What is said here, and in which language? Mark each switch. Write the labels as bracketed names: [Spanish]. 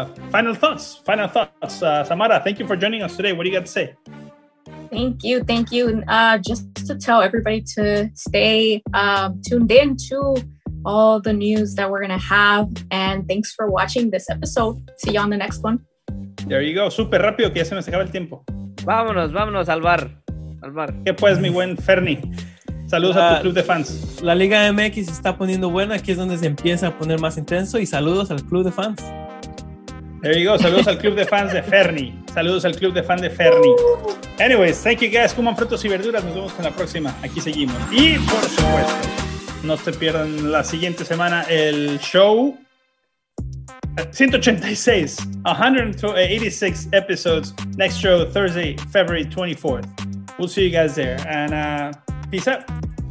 [English] Final thoughts. Samara, thank you for joining us today. What do you got to say? Thank you. Just to tell everybody to stay tuned in to all the news that we're going to have. And thanks for watching this episode. See you on the next one. There you go. [Spanish] Super rápido, que ya se me acaba el tiempo. Vámonos al bar. ¿Qué pues, mi buen Ferny? Saludos a tu club de fans. La Liga MX está poniendo buena. Aquí es donde se empieza a poner más intenso. Y saludos al club de fans. [English] There you go. [Spanish] Saludos al club de fans de Ferny. Saludos al club de fan de Ferny. [English] Anyways, thank you guys. [Spanish] Coman frutos y verduras. Nos vemos en la próxima. Aquí seguimos. Y por supuesto, no se pierdan la siguiente semana el show 186. [English] 186 episodes. Next show, Thursday, February 24th. We'll see you guys there. And peace out.